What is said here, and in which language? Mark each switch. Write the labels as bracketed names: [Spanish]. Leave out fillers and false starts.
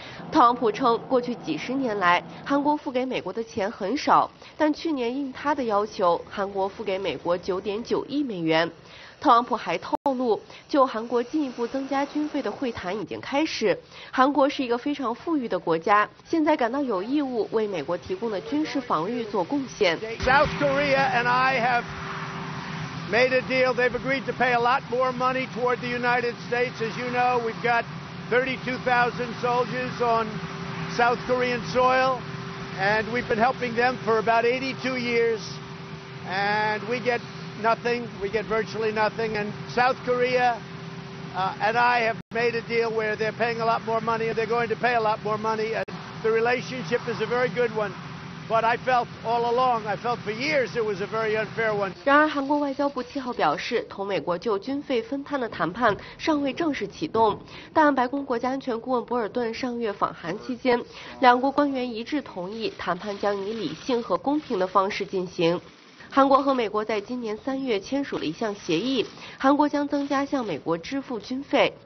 [Chinese] 特朗普称，过去几十年来，韩国付给美国的钱很少，但去年应他的要求，韩国付给美国9.9亿美元。特朗普还透露，就韩国进一步增加军费的会谈已经开始。韩国是一个非常富裕的国家，现在感到有义务为美国提供的军事防御做贡献。 [English] South Korea and I have made a deal. They've agreed to pay a lot more money toward the United States. As you know, we've got 32,000 soldiers on South Korean soil, and we've been helping them for about 82 years, and we get. Nothing. We get virtually nothing. And South Korea, and I have made a deal where they're paying a lot more money, and they're going to pay a lot more money. And the relationship is a very good one. But I felt all along, I felt for years it was a very unfair one. [Chinese] 然而韩国外交部七号表示，同美国就军费分摊的谈判尚未正式启动，但白宫国家安全顾问博尔顿上月访韩期间，两国官员一致同意谈判将以理性和公平的方式进行。韩国和美国在今年三月签署了一项协议，韩国将增加向美国支付军费。